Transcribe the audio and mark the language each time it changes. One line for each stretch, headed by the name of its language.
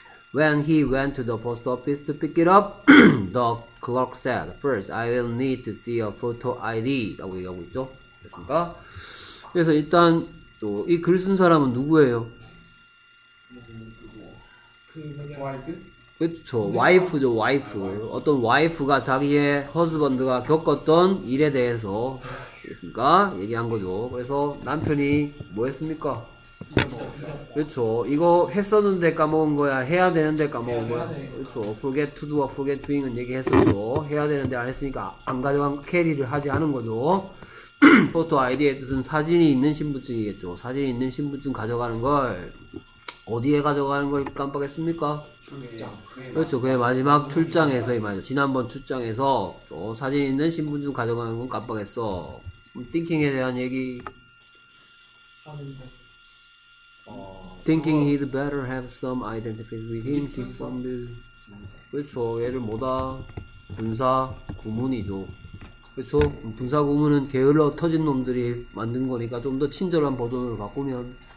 English: When he went to the post office to pick it up, the clerk said, first, I will need to see a photo ID.
Korean: 라고 얘기하고 있죠? 됐습니까? 그래서 일단 이 글 쓴 사람은 누구예요? 그렇죠. 와이프죠. 와이프. 어떤 와이프가 자기의 허즈번드가 겪었던 일에 대해서 그러니까 얘기한 거죠. 그래서 남편이 뭐 했습니까? 그렇죠. 이거 했었는데 까먹은 거야. 해야 되는데 까먹은 거야. 그렇죠. Forget to do와 forget doing은 얘기했었죠. 해야 되는데 안 했으니까 안 가져간 캐리를 하지 않은 거죠. Photo ID의 뜻은 사진이 있는 신분증이겠죠. 사진이 있는 신분증 가져가는 걸 어디에 가져가는 걸 깜빡했습니까? 출장. 그렇죠. 그의 마지막 출장에서 이 말이죠. 지난번 출장에서 사진 있는 신분증 가져가는 건 깜빡했어. Thinking에 대한 얘기.
English: Thinking he'd better have some identification with him.
Korean: 그렇죠. 얘를 뭐다? 분사 구문이죠. 그렇죠. 분사 구문은 게을러 터진 놈들이 만든 거니까 좀 더 친절한 버전으로 바꾸면.